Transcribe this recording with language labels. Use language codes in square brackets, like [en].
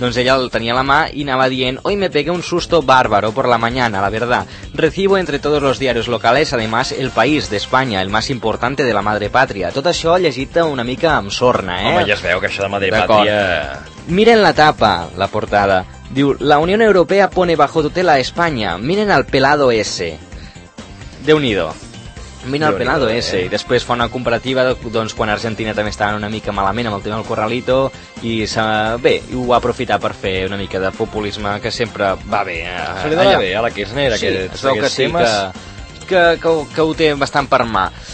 [ca] Doncs ella el tenia a la mà i anava dient: [es] hoy me pegué un susto bárbaro por la mañana, la verdad. Recibo entre todos los diarios locales, además, El País de España, el más importante de la madre patria. [ca] Tot això llegit una mica amb sorna, eh? Home, ja es veu que això de madre patria... [es] Miren la tapa, la portada. Diu: la Unión Europea pone bajo tutela a España. Miren al pelado ese. [ca] Déu-n'hi-do. [es] Miren al pelado ese. [ca] I després fa una comparativa de, doncs, quan Argentina també estava una mica malament amb el tema del Corralito i bé, ho va aprofitar per fer una mica de populisme, que sempre va bé. Se li dona bé a la Kirchner, aquests temes. Que ho té bastant per mà.